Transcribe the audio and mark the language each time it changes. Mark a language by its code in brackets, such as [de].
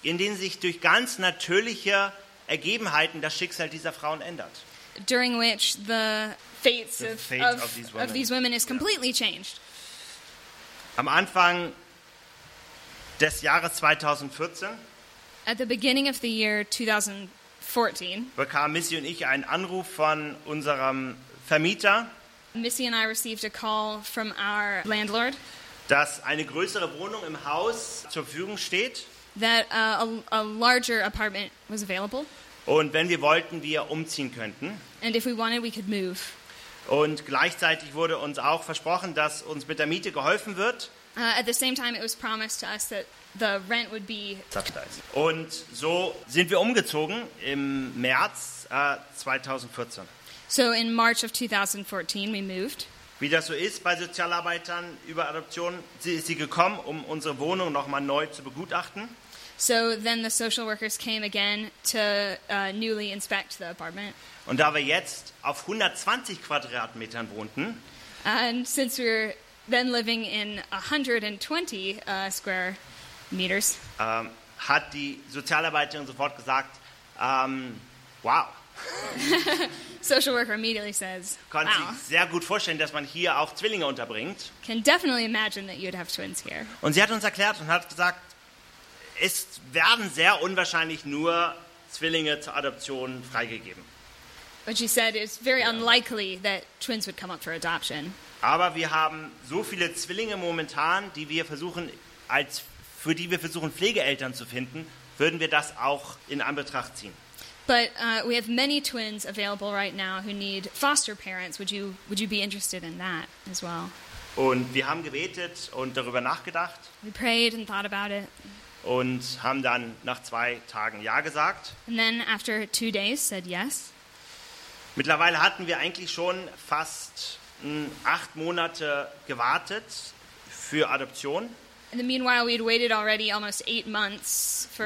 [de] In denen sich durch ganz natürliche Ergebenheiten das Schicksal dieser Frauen ändert. [en] During which the fates of these women is completely changed. [de] Am Anfang des Jahres 2014. [en] At the beginning of the year 2014. [de] Bekam Missy und ich einen Anruf von unserem Vermieter. [en] Missy and I received a call from our landlord. [de] Dass eine größere Wohnung im Haus zur Verfügung steht. [en] That a larger apartment was available. [de] Und wenn wir wollten, wir umziehen könnten. [en] And if we wanted, we could move. [de] Und gleichzeitig wurde uns auch versprochen, dass uns mit der Miete geholfen wird. [en] At the same time, it was promised to us that the rent would be subsidized. [de] Und so sind wir umgezogen im März 2014. [en] So in March of 2014, we moved. [de] Wie das so ist bei Sozialarbeitern über Adoption, ist sie gekommen, um unsere Wohnung nochmal neu zu begutachten. [en] So then the social workers came again to newly inspect the apartment. [de] Und da wir jetzt auf 120 Quadratmetern wohnten, [en] and since we were then living in 120 square meters, [de] hat die Sozialarbeiterin sofort gesagt, wow. [en] Social worker immediately says, wow. [de] Sich sehr gut vorstellen, dass man hier auch Zwillinge unterbringt. [en] Can definitely imagine that you'd have twins here. [de] Und sie hat uns erklärt und hat gesagt, es werden sehr unwahrscheinlich nur Zwillinge zur Adoption freigegeben. [en] But she said it's very unlikely that twins would come up for adoption. [de] Aber wir haben so viele Zwillinge momentan, die wir versuchen, für die wir versuchen, Pflegeeltern zu finden, würden wir das auch in Anbetracht ziehen. [en] But we have many twins available right now who need foster parents. Would you be interested in that as well? [de] Und wir haben gebetet und darüber nachgedacht. [en] We prayed and thought about it. [de] Und haben dann nach 2 Tagen ja gesagt. [en] And then after 2 days said yes. [de] Mittlerweile hatten wir eigentlich schon fast 8 Monate gewartet für Adoption. [en] In the meanwhile, we had waited already almost 8 months for.